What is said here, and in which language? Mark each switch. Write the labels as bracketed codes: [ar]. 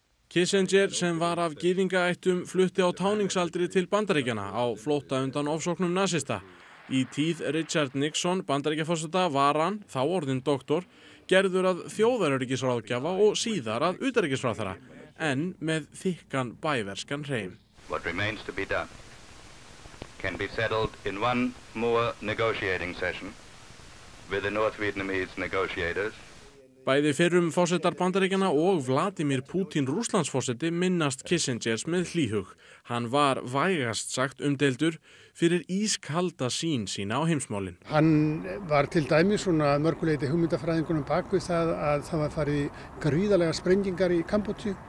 [is] Kissinger, sem var af gyðingaættum, flutti á táningsaldri til Bandaríkjana á flótta undan ofsóknum nasista. Í tíð Richard Nixon, Bandaríkjaforseta, var hann, þá orðinn doktor, gerður að þjóðaröryggisráðgjafa og síðar að utanríkisráðherra. En með þykkan bæverskan hreim. [en] What remains to be done can be settled in one more negotiating session with the North Vietnamese negotiators. [is] Bæði fyrrum forsetar Bandaríkjanna og Vladimir Putin Rússlandsforseti minnast Kissingers með hlýhug. Hann var vægast sagt umdeildur fyrir ískalda sín sína á heimsmálin. Hann var til dæmis svona mörguleiti hugmyndafræðingunum bak við það að það var farið gríðarlega sprengingar í Kambodju.